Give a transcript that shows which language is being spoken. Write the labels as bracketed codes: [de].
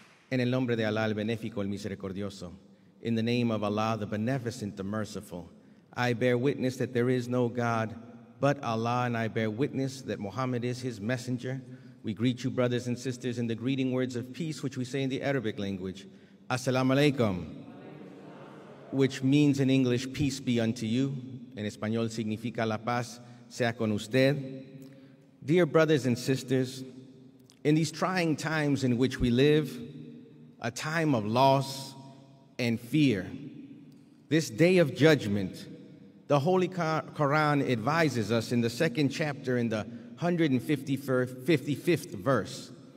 [es] En el nombre de Allah, el benéfico, el misericordioso. [en] In the name of Allah, the beneficent, the merciful, I bear witness that there is no God but Allah, and I bear witness that Muhammad is his messenger. We greet you, brothers and sisters, in the greeting words of peace, which we say in the Arabic language, [ar] Assalamu alaikum, [en] which means in English, peace be unto you. [es] En español significa la paz sea con usted. [en] Dear brothers and sisters, in these trying times in which we live, a time of loss and fear, this day of judgment, the Holy Quran advises us in the second chapter in the 155th verse,